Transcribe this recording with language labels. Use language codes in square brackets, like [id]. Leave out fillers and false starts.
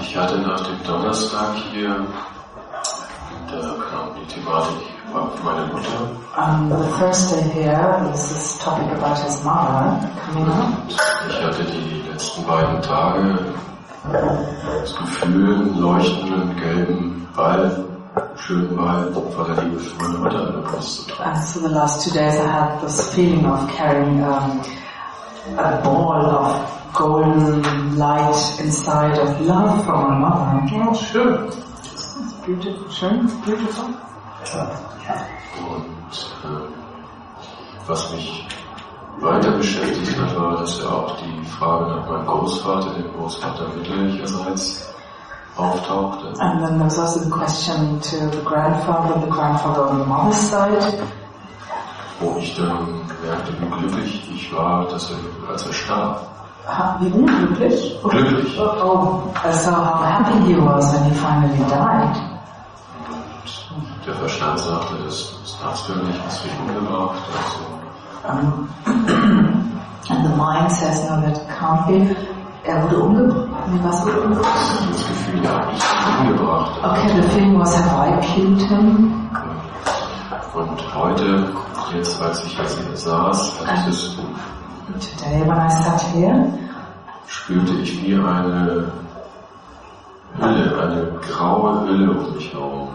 [de] Ich hatte nach dem Donnerstag hier, da kam die Thematik von meiner Mutter. [en] The first day here, this is topic about his mother coming up. [de] Ich hatte die letzten beiden Tage das Gefühl, einen leuchtenden gelben Ball, schönen Ball von der Liebe für meine Mutter in der Brust. [en] So the last 2 days I had this feeling of carrying a ball of golden light inside of love from my mother. Oh, sure. It's beautiful. Schön, beautiful. Yeah. [de] Und was mich weiter beschäftigt hat, war, dass ja auch die Frage nach meinem Großvater, dem Großvater mütterlicherseits, auftauchte. [en] And then there was also the question to the grandfather on the mother's side. [de] Wo ich dann merkte, wie glücklich ich war, dass er, als er starb. Wie unglücklich? Glücklich. [en] Oh, I saw how happy he was when he finally died. [de] Und der Verstand sagte, das darfst du nicht, das wird umgebracht. Also. [en] And the mind says, no, that can't be. [de] Er wurde umgebracht. Nee, was wurde umgebracht? Das Gefühl, ja, ich bin umgebracht. [en] Okay, the feeling was, have I killed him? [de] Und heute, jetzt, als ich jetzt hier saß, hatte ich das Gefühl. [en] Today, when I sat here, [de] spürte ich wie eine Hülle, eine graue Hülle um mich herum.